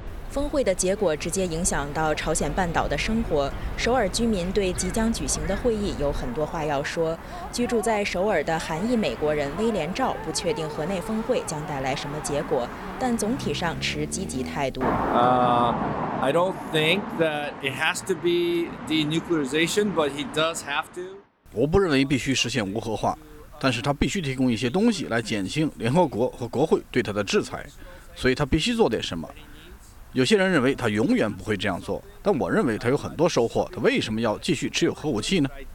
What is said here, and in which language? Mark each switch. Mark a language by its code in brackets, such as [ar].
[zh] 峰会的结果直接影响到朝鲜半岛的生活，首尔居民对即将举行的会议有很多话要说。居住在首尔的韩裔美国人威廉赵不确定河内峰会将带来什么结果，但总体上持积极态度。 [en] I don't think that it has to be denuclearization, but he does have to. [zh] 我不认为必须实现无核化，但是他必须提供一些东西来减轻联合国和国会对他的制裁，所以他必须做点什么。有些人认为他永远不会这样做，但我认为他有很多收获。他为什么要继续持有核武器呢？